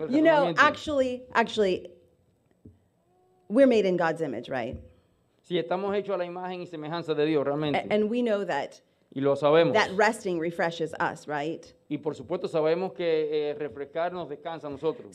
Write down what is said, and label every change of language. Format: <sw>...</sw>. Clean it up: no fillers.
<en>You know, actually, we're made in God's image, right?</en> <es>Sí, estamos hechos a la imagen y semejanza de Dios, realmente.</es> <en>And we know that.</en> <es>Y lo sabemos.</es> <en>That resting refreshes us, right?</en> <es>Y por supuesto sabemos que refrescar nos descansa a nosotros.</es>